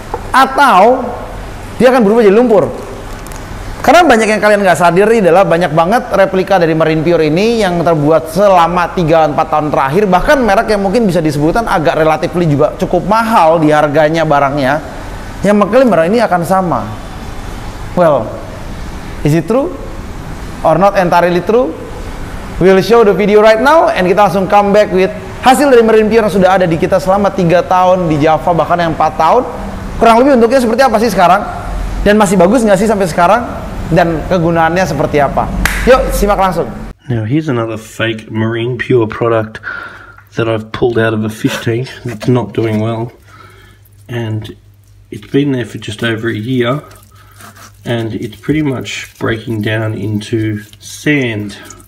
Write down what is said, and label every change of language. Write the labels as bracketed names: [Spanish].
[Indonesian] Atau dia akan berubah jadi lumpur? Karena banyak yang kalian nggak sadari adalah banyak banget replika dari Marine Pure ini yang terbuat selama 3-4 tahun terakhir, bahkan merek yang mungkin bisa disebutkan agak relatively juga cukup mahal di harganya barangnya, yang mengklaim barang ini akan sama. [English] Well, is it true or not entirely true? We'll show the video right now and [Indonesian] kita langsung [English] come back with [Indonesian] hasil dari Marine Pure yang sudah ada di kita selama 3 tahun di Java, bahkan yang 4 tahun. Kurang lebih bentuknya seperti apa sih sekarang? Dan masih bagus nggak sih sampai sekarang? dan kegunaannya seperti apa. Yuk, simak langsung. [English] Now here's another fake marine pure product that I've pulled out of a fish tank that's not doing well, and it's been there for just over a year, and it's pretty much breaking down into sand.